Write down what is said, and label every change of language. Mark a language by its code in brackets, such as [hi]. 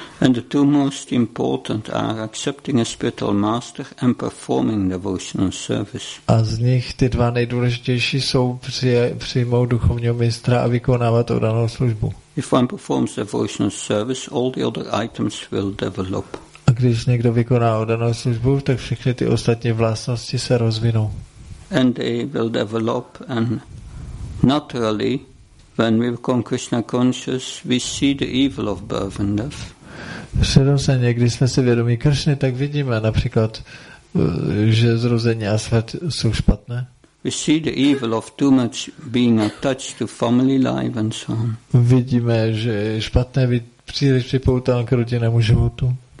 [en] And the two most important are accepting a spiritual master and performing devotional service. [cs] A z nich ty dva nejdůležitější jsou přijmout duchovního mistra a vykonávat oddanou službu. [en] If one performs devotional service, all the other items will develop. [cs] A když někdo vykoná oddanou službu, tak všechny ty ostatní vlastnosti se rozvinou. [en] And they will develop, and naturally, when we become Krishna conscious, we see the evil of birth and death. [cs] Přirozeně, když jsme si vědomí Kršny, tak vidíme například, že zrození a svět jsou špatné. [en] We see the evil of too much being attached to family life and so on. [cs] Vidíme, že je špatné být příliš připoután k rodinnému životu.